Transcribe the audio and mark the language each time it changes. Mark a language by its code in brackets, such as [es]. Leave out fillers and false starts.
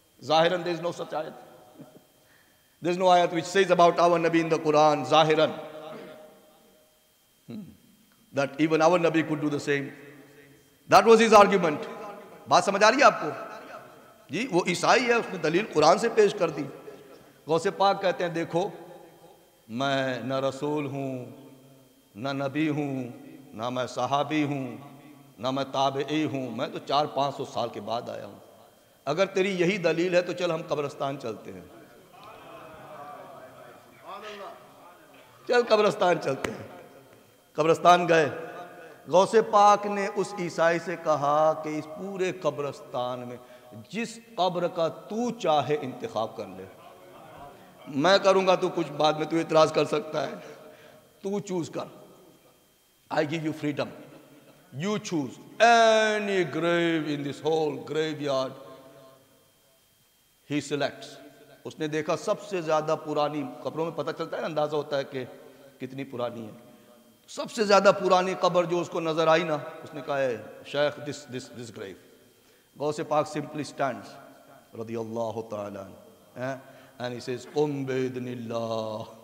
[en] Zahiran, there is no such ayat. There is no ayat which says about our Nabi in the Quran, Zahiran. That even our Nabi could do the same. That was his argument. [ur] بات سمجھ آ رہی ہے آپ کو؟ جی وہ عیسائی ہے، اس نے دلیل قرآن سے پیش کر دی. غوث پاک کہتے ہیں دیکھو، میں نہ رسول ہوں، نہ نبی ہوں، نہ میں صحابی ہوں، نہ میں تابعی ہوں، میں تو 400-500 سال کے بعد آیا ہوں. اگر تیری یہی دلیل ہے تو چل ہم قبرستان چلتے ہیں، چل قبرستان چلتے ہیں. قبرستان گئے، غوث پاک نے اس عیسائی سے کہا کہ اس پورے قبرستان میں جس قبر کا تو چاہے انتخاب کر لے، میں کروں گا تو کچھ بعد میں تو اعتراض کر سکتا ہے، تو چوز کر، [en] I give you freedom. You choose any grave in this whole graveyard. He selects. [ur] اس نے دیکھا سب سے زیادہ پرانی, قبروں میں پتہ چلتا ہے اندازہ ہوتا ہے کہ کتنی پرانی ہے, سب سے زیادہ پرانی قبر جو اس کو نظر آئی نا, اس نے کہا ہے شیخ [en] this grave Ghaus Pak simply stands [ur] رضی اللہ تعالیٰ عنہ [en] and he says [ar] قم بإذن اللہ